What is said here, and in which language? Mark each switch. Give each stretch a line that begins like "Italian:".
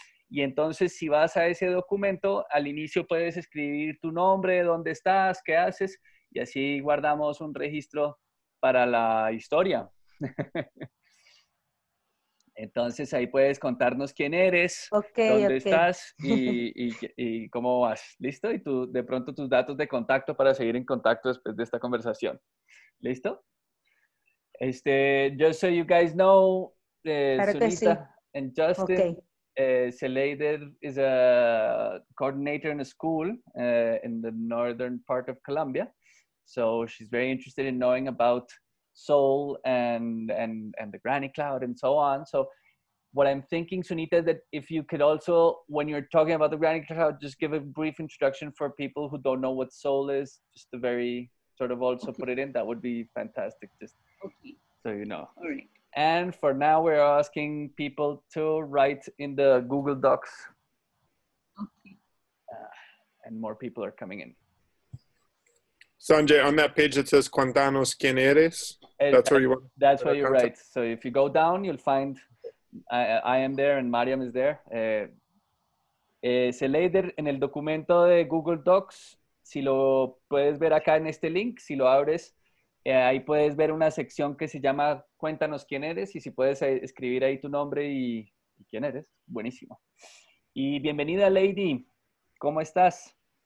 Spanish: Y entonces, si vas a ese documento, al inicio puedes escribir tu nombre, dónde estás, qué haces, y así guardamos un registro para la historia. Entonces, ahí puedes contarnos quién eres, dónde estás y cómo vas. ¿Listo? Y tú, de pronto tus datos de contacto para seguir en contacto después de esta conversación. ¿Listo?
English: Just so you guys know, Sunita and Justin, Seleider is a coordinator in a school in the northern part of Colombia. So she's very interested in knowing about Sol and the Granny Cloud and so on. So what I'm thinking, Sunita, that if you could also, when you're talking about the Granny Cloud, just give a brief introduction for people who don't know what Sol is, just a very sort of also put it in, that would be fantastic. So you know. All right. And for now, we're asking people to write in the Google Docs. And more people are coming in. Sanjay, on that page that says
Spanish: Cuéntanos quién eres,
English: that's where you write. So if you go down, you'll find I am there and Mariam is there.
Spanish: Seleider, en el documento de Google Docs, si lo puedes ver acá en este link, si lo abres, ahí puedes ver una sección que se llama Cuéntanos quién eres, y si puedes escribir ahí tu nombre y quién eres, buenísimo. Y bienvenida, Lady. ¿Cómo estás?